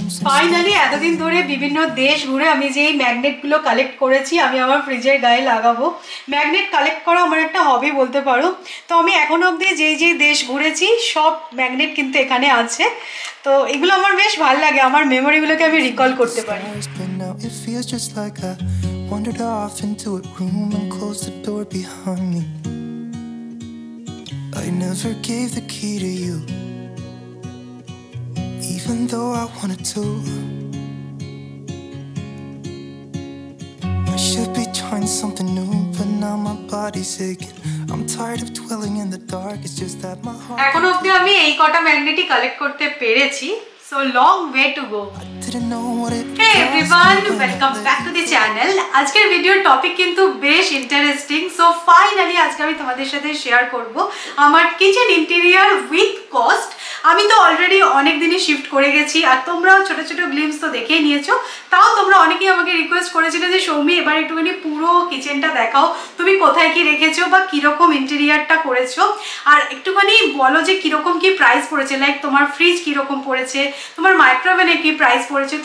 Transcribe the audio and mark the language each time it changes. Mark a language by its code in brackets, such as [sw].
[bn] Finally এতদিন ধরে বিভিন্ন দেশ ঘুরে আমি যে এই ম্যাগনেটগুলো কালেক্ট করেছি আমি আমার ফ্রিজের গায়ে লাগাবো। ম্যাগনেট কালেক্ট করা আমার একটা হবি বলতে পারো। তো আমি এখন অবধি যেই যেই দেশ ঘুরেছি সব ম্যাগনেট কিন্তু এখানে আছে। তো এগুলো আমার বেশ ভালো লাগে, আমার মেমোরিগুলোকে আমি রিকল করতে পারি। [en] It feels just like I wandered off into a room and closed the door behind me. I never gave the key to you, even though I wanted to. I should be trying something new, but now my body's aching. I'm tired of dwelling in the dark, it's just that my heart... [bn] এখন অবধি আমি এই কটা ম্যাগনেটই collect করতে পেরেছি. [en] So long way to go. Hey everyone, welcome back to the channel. [bn] আজকের ভিডিওর topic কিন্তু বেশ ইন্টারেস্টিং। সো ফাইনালি আজকে আমি তোমাদের সাথে শেয়ার করব আমার কিচেন ইন্টেরিয়ার উইথ কস্ট। আমি তো অলরেডি অনেকদিনই শিফট করে গেছি আর তোমরাও ছোট ছোট গ্লিমস তো দেখেই নিয়েছো। তাও তোমরা অনেকেই আমাকে রিকোয়েস্ট করেছিলে যে সৌমি এবার একটুখানি পুরো কিচেনটা দেখাও, তুমি কোথায় কি রেখেছো বা কিরকম ইন্টেরিয়ারটা করেছো, আর একটুখানি বলো যে কিরকম কি প্রাইস পড়েছে, লাইক তোমার ফ্রিজ কিরকম পড়েছে, তোমার মাইক্রোওয়েভে কি প্রাইস পড়েছে।